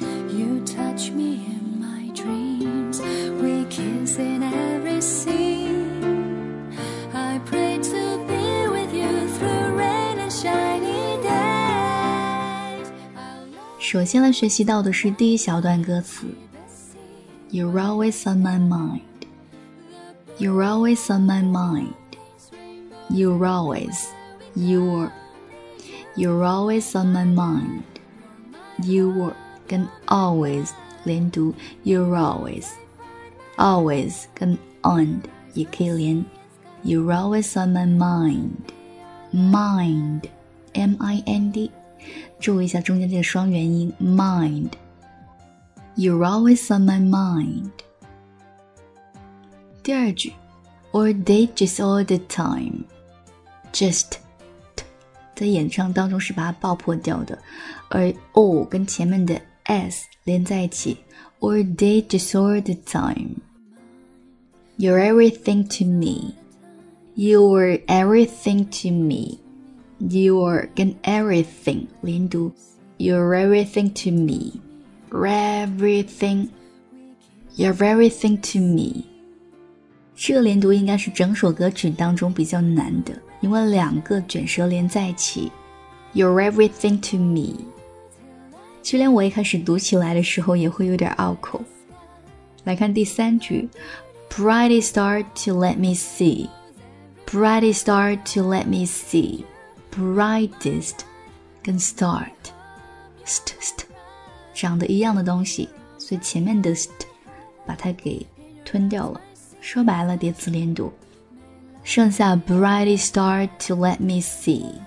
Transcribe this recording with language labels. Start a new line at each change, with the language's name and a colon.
English: You touch me in my dreams. We kiss in every scene. I pray to be with you through rain and shiny days.
Chinese: 首先来学习到的是第一小段歌词。
English: You're always on my mind. You're always on my mind. You're always. You're. You're always on my mind. You were
Chinese: 跟
English: always
Chinese: 连读
English: You're always. Always
Chinese: 跟
English: on
Chinese: 也可以连
English: You're always on my mind. Mind M-I-N-D
Chinese: 注意一下中间这个双元音
English: Mind. You're always on my mind.
Chinese: 第二句
English: Or date just all the time. Just.
Chinese: 在演唱当中是把它爆破掉的，而 all 跟前面的 s 连在一起
English: or day just all the time. You're everything to me. You're everything to me. You're
Chinese: 跟
English: everything
Chinese: 连读
English: You're everything to me. Everything. You're everything to me.
Chinese: 这个连读应该是整首歌曲当中比较难的，因为两个卷舌连在一起
English: You're everything to me.
Chinese: 就连我一开始读起来的时候也会有点拗口。来看第三句
English: Brightest star to let me see. Brightest star to let me see.
Chinese: Brightest 跟 start st st 长得一样的东西，所以前面的 st 把它给吞掉了，说白了叠词连读，剩下
English: brightest star to let me see.